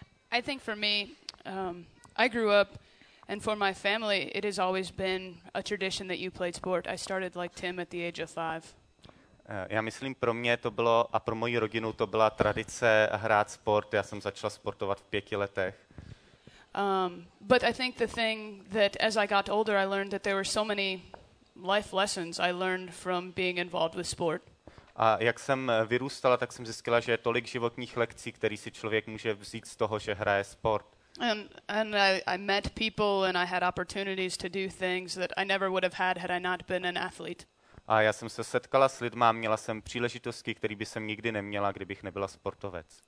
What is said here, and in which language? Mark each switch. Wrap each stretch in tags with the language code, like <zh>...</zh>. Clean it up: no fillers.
<en>I think for me, I grew up, and for my family, it has always been a tradition that you played sport. I started like Tim at the age of 5.</en> <cs>Já myslím, pro mě to bylo, a pro moji rodinu to byla tradice hrát sport. Já jsem začal sportovat v 5 letech.</cs> <en>But I think the thing that as I got older, I learned that there were so many life lessons I learned from being involved with sport.</en> <cs>A jak jsem vyrůstala, tak jsem zjistila, že je tolik životních lekcí, které si člověk může vzít z toho, že hraje sport.</cs> <en>And I met people and I had opportunities to do things that I never would have had I not been an athlete.</en> <cs>A já jsem se setkala s lidmi, měla jsem příležitosti, které by jsem nikdy neměla, kdybych nebyla sportovec.</cs>